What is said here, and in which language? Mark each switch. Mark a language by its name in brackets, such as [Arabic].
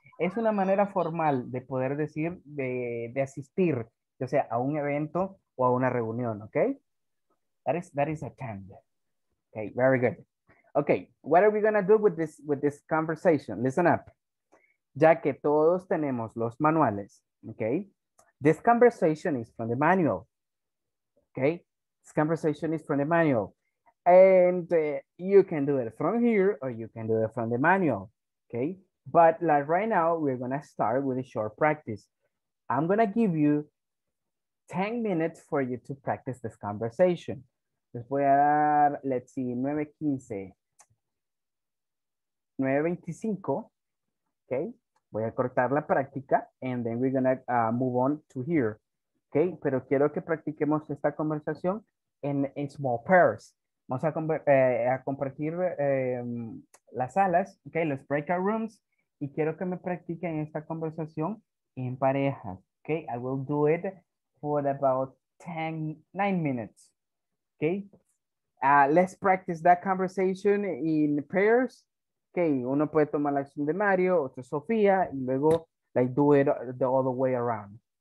[Spanish] Es una manera formal de poder decir de asistir, o sea, a un evento o a una reunión, okay? [English] That is attend. Okay, very good. Okay, what are we going to do with this conversation? Listen up. [Spanish] Ya que todos tenemos los manuales, okay? [English] This conversation is from the manual. Okay? This conversation is from the manual. And you can do it from here or you can do it from the manual, okay? But like right now, we're gonna start with a short practice. I'm gonna give you 10 minutes for you to practice this conversation. [Spanish] Les voy a dar, [English] let's see, [Spanish] 9:15. [English] 9:25, okay? [Spanish] Voy a cortar la práctica [English] and then we're gonna move on to here, okay? [Spanish] Pero quiero que practiquemos esta conversación [English] in small pairs. [Spanish] Vamos a compartir las salas, okay, los breakout rooms, y quiero que me practiquen esta conversación en pareja. [English] Okay, I will do it for about 9 minutes. Okay, let's practice that conversation in pairs. [Spanish] Okay, uno puede tomar la acción de Mario, otro Sofía, y luego [English] like do it the other way around.